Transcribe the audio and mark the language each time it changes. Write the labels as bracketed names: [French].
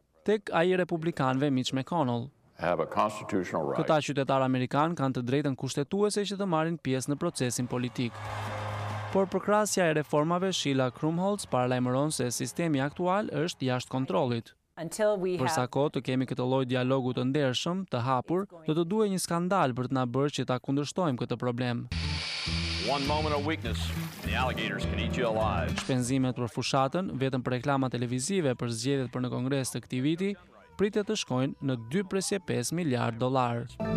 [Albanian] Tek ai republikanëve Mitch McConnell. Këta qytetarë amerikan kanë të drejtën kushtetuese që të marrin pjesë në procesin politik. Por përkrasja e reformave Sheila Krumholz paralajmëron se sistemi aktual është jashtë kontrollit. Përsa kohë të kemi këtë lloj dialogu të ndershëm, të hapur, do të duhej një skandal për të na bërë që ta kundërshtojmë këtë problem. [English] One moment of weakness, the alligators can eat you alive. [Albanian] Shpenzimet për fushatën, vetëm për reklama televizive për zgjedhjet për në Kongres të këtij viti, pritet të shkojnë në 2.5 miliard dollar.